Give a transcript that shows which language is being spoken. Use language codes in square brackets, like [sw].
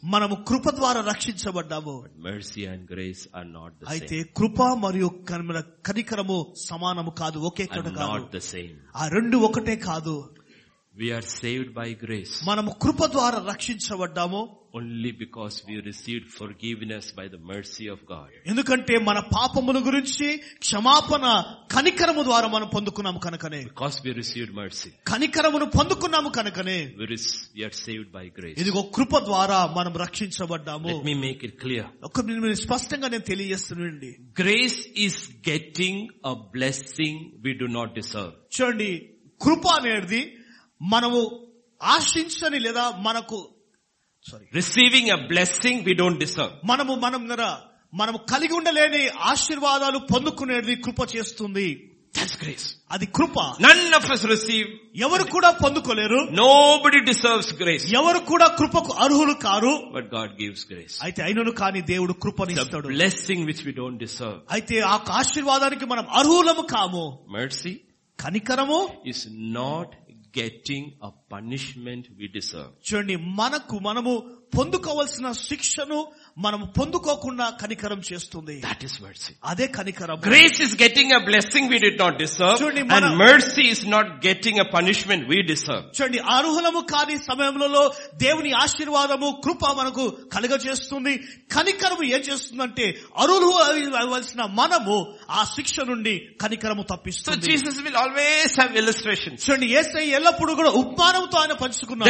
[en] Mercy and grace are not the same. And not the same. We are saved by grace. Only because we received forgiveness by the mercy of God. [te] ఎందుకంటే మన పాపముల గురించి క్షమాపణ కనికరము ద్వారా మనం పొందుకున్నాము కనుకనే. [en] Because we received mercy. [te] కనికరమును పొందుకున్నాము కనుకనే. [en] We are saved by grace. [te] ఇదిగో కృప ద్వారా మనం రక్షించబడ్డాము. [en] Let me make it clear. [te] ఒక నిమిషం స్పష్టంగా నేను తెలియజేస్తున్నాండి. [en] Grace is getting a blessing we do not deserve. [te] చూడండి, కృప అనేది మనము ఆశించని లేదా మనకు [en] Receiving a blessing we don't deserve. [te] మనము మనము కలిగి ఉండలేని ఆశీర్వాదాలు పొందుకునేది కృప చేస్తుంది. [en] That's grace. [te] అది కృప. [en] None of us receive. [te] ఎవరు కూడా పొందుకోలేరు. [en] Nobody deserves grace. [te] ఎవరు కూడా కృపకు అర్హులు car. [en] But God gives grace. [te] అయితే అయినను కానీ దేవుడు కృపను ఇస్తాడు. [en] Blessing which we don't deserve. [te] అయితే ఆ ఆశీర్వాదానికి మనం అర్హులము కాము. [en] Mercy. [te] కనికరము [en] is not getting a punishment we deserve. [te] చూడండి, మనకు మనము పొందుకోవాల్సిన శిక్షను మనము పొందుకోకుండా కనికరం చేస్తుంది. [en] That is mercy. [te] అదే కనికరం. [en] Grace is getting a blessing we did not deserve. And mercy is not getting a punishment we deserve. [te] చూడండి, అర్హులము కాని సమయములలో దేవుని ఆశీర్వాదము కృప మనకు కలగజేస్తుంది. కనికరము ఏం చేస్తుందంటే అర్హులు అవ్వాల్సిన మనము ఆ శిక్ష నుండి కనికరము తప్పిస్తుంది. [en] Jesus will always have illustrations. [te] చూడండి, యేసయ్య ఎల్లప్పుడూ కూడా ఉపమానంతో ఆయన పంచుకున్నాడు.